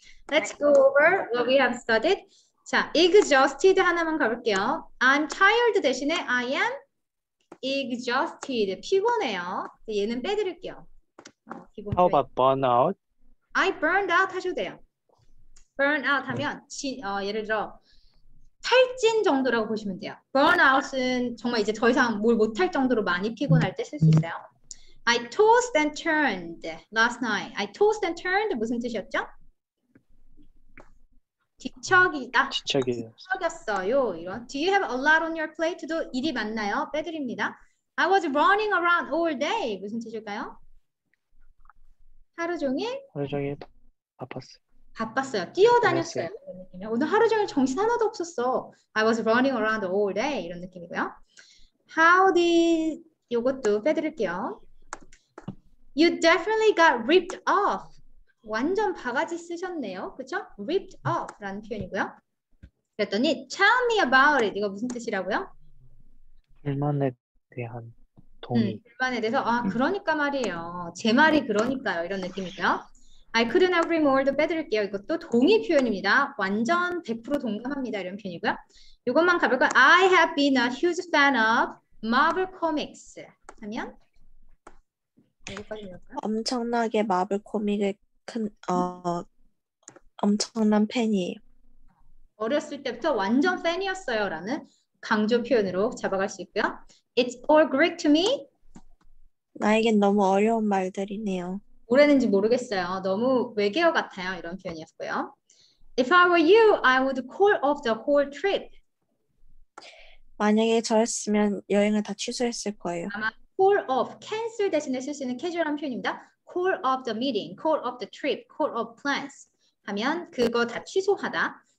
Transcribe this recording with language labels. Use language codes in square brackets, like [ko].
[en] Let's go over what we have studied. [ko] 자, exhausted 하나만 가볼게요. [en] I'm tired [ko] 대신에 [en] I am exhausted. [ko] 피곤해요. 얘는 빼드릴게요. 기본 [en] How about burnout? I burned out [ko] 하셔도 돼요. Burn out 하면 예를 들어 탈진 정도라고 보시면 돼요. Burn out은 정말 이제 더 이상 뭘 못할 정도로 많이 피곤할 때쓸수 있어요. [en] I tossed and turned last night. I tossed and turned [ko] 무슨 뜻이었죠? 뒤척이다. 뒤척였어요. 이런. [en] Do you have a lot on your plate? [ko] 도 일이 많나요? 빼드립니다. [en] I was running around all day. [ko] 무슨 뜻일까요? 하루 종일 하루 종일 바빴어요. 바빴어요. 뛰어다녔어요. 피곤했어요. 오늘 하루 종일 정신 하나도 없었어. [en] I was running around all day. [ko] 이런 느낌이고요. [en] How did [ko] 이것도 빼드릴게요. [en] You definitely got ripped off. [ko] 완전 바가지 쓰셨네요. 그쵸? Ripped off라는 표현이고요. 그랬더니 [en] Tell me about it. [ko] 이거 무슨 뜻이라고요? 불만에 대한 동의. 불만에 대해서 아 그러니까 말이에요. 제 말이 그러니까요. 이런 느낌이고요. [en] I couldn't agree more도 [ko] 빼드릴게요. 이것도 동의 표현입니다. 완전 100% 동감합니다. 이런 표현이고요. 이것만 가볼까요? [en] I have been a huge fan of Marvel Comics. [ko] 하면 여기까지 읽을까요? 엄청나게 마블 코믹의 큰, 엄청난 팬이에요. 어렸을 때부터 완전 팬이었어요라는 강조 표현으로 잡아갈 수 있고요. [en] It's all Greek to me. [ko] 나에겐 너무 어려운 말들이네요. 뭐라는지 모르겠어요. 너무 외계어 같아요. 이런 표현이었고요. [en] If I were you, I would call off the whole trip. [ko] 만약에 저였으면 여행을 다 취소했을 거예요. I'm call off, cancel 대신에 쓸수 있는 캐주얼한 표현입니다. [en] Call off the meeting, call off the trip, call off plans [ko] 하면 그거 다 취소하다.